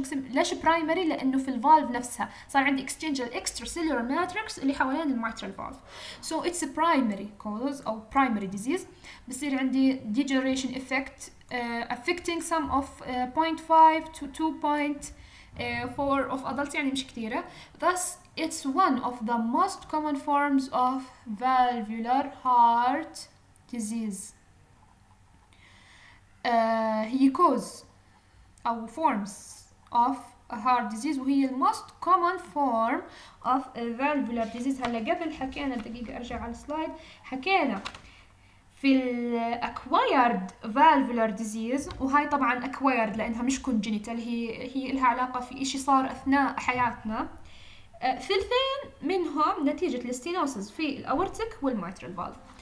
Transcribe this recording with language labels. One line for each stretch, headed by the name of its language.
Arabic: ليش برايمري؟ لانه في الفالف نفسها صار عندي اكستشينج الاكسترا سيلولار ماتريكس اللي حوالين الميترال فالف،
English: سو اتس برايمري كوز او برايمري ديزيز.
Arabic: بصير عندي
English: Degeneration affect affecting some of 0.5 to 2. 4 of adults
Arabic: يعني مش كتيرة.
English: Thus it's one of the most common forms of valvular heart disease. هي cause أو forms of a heart disease،
Arabic: وهي
English: the most common form of a valvular disease.
Arabic: هلا قبل حكينا، دقيقة أرجع على السلايد، حكينا في acquired valvular disease، وهي طبعا acquired لانها مش congenital، هي لها علاقة في اشي صار اثناء حياتنا. ثلثين منهم نتيجة الاستينوسز في الاورتك والميترال فالف.